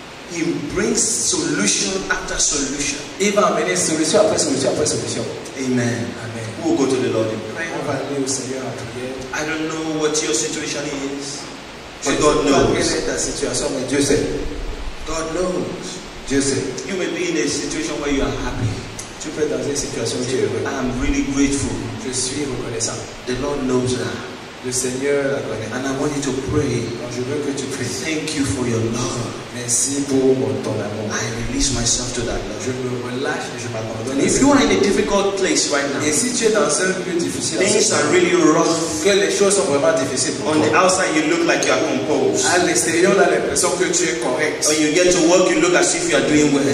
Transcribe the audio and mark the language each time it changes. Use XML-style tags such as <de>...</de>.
<en>He brings solution after solution.</en> <fr>Il va amener solution après solution après solution. Amen. Amen.</fr> <en>We'll go to the Lord in prayer.</en> <fr>On va aller au Seigneur en prière.</fr> <en>I don't know what your situation is, but God knows.</en> <fr>Quelle est ta situation, mais Dieu sait.</fr> <en>God knows.</en> <fr>Dieu sait.</fr> <en>You may be in a situation where you are happy.</en> <fr>Tu peux être dans une situation où tu es heureux.</fr> <en>I'm really grateful.</en> <fr>Je suis reconnaissant.</fr> <en>The Lord knows that.</en> <fr>Le Seigneur la connaît.</fr> <en>And I want you to pray.</en> <fr>Donc je veux que tu pries.</fr> <en>Thank you for your love.</en> <fr>Merci pour ton amour.</fr> <en>I release myself to that love.</en> <fr>Je me relâche et je m'abandonne.</fr> <en>If you are in a difficult place right now,</en> <fr>et si tu es dans un lieu difficile,</fr> <en>things are really rough.</en> <fr>Que les choses sont vraiment difficiles.</fr> <en>On the outside, you look like you are composed.</en> <fr>À l'extérieur, on a l'impression que tu es correct.</fr> <en>When you get to work, you look as if you are doing well.</en>